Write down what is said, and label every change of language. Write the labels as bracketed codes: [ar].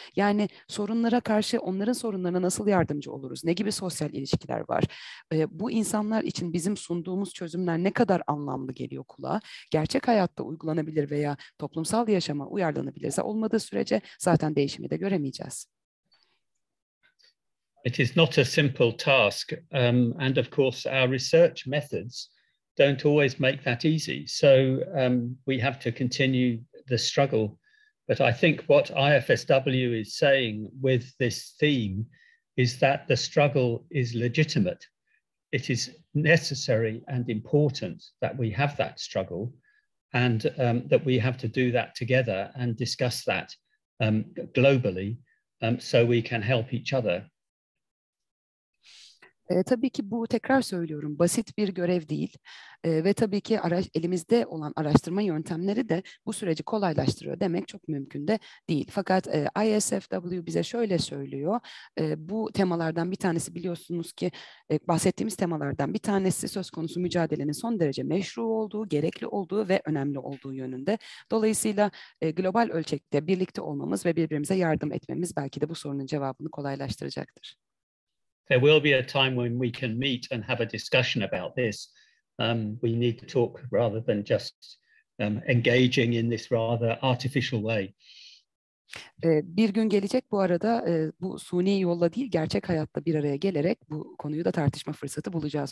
[tr] Yani sorunlara karşı onların sorunlarına nasıl yardımcı oluruz? Ne gibi sosyal ilişkiler var? Bu insanlar için bizim sunduğumuz çözümler ne kadar anlamlı geliyor kulağa? Gerçek hayatta uygulanabilir veya toplumsal yaşama uyarlanabilirse olmadığı sürece zaten değişimi de göremeyeceğiz. [en] It is not a simple task, and of course our research methods don't always make that easy. So we have to continue the struggle. But I think what IFSW is saying with this theme is that the struggle is legitimate. It is necessary and important that we have that struggle, and that we have to do that together and discuss that globally, so we can help each other. [tr] Tabii ki bu, tekrar söylüyorum, basit bir görev değil ve tabii ki elimizde olan araştırma yöntemleri de bu süreci kolaylaştırıyor demek çok mümkün de değil. Fakat ISFW bize şöyle söylüyor, bu temalardan bir tanesi, biliyorsunuz ki bahsettiğimiz temalardan bir tanesi söz konusu mücadelenin son derece meşru olduğu, gerekli olduğu ve önemli olduğu yönünde. Dolayısıyla global ölçekte birlikte olmamız ve birbirimize yardım etmemiz belki de bu sorunun cevabını kolaylaştıracaktır. [en] There will be a time when we can meet and have a discussion about this. We need to talk rather than just engaging in this rather artificial way. [tr] Bir gün gelecek bu arada, bu suni yolla değil, gerçek hayatta bir araya gelerek bu konuyu da tartışma fırsatı bulacağız.